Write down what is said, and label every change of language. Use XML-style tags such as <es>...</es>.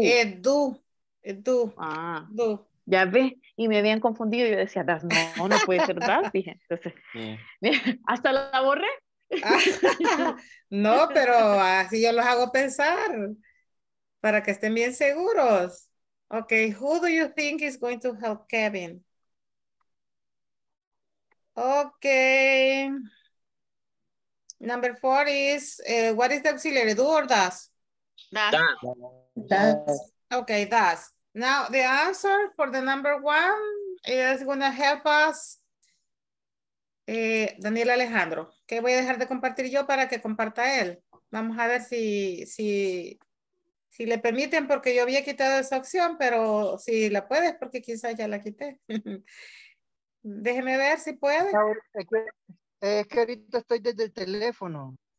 <es>Es do. Ah,</es> <en>do.</en> <es>Ya ves, y me habían confundido. Yo decía, das, no puede ser das. Dije, entonces, hasta la borré. No, pero así yo los hago pensar para que estén bien seguros.</es> <en>Okay, who do you think is going to help Kevin? Okay. Number four is, what is the auxiliary, do or does? Does. Okay, does. Now, the answer for the number one is going to help us, Daniel Alejandro.</en> <es>Okay, voy a dejar de compartir yo para que comparta él. Vamos a ver si le permiten, porque yo había quitado esa opción, pero si la puedes, porque quizás ya la quité. Déjeme ver si puede. Es que ahorita estoy desde el teléfono.</es>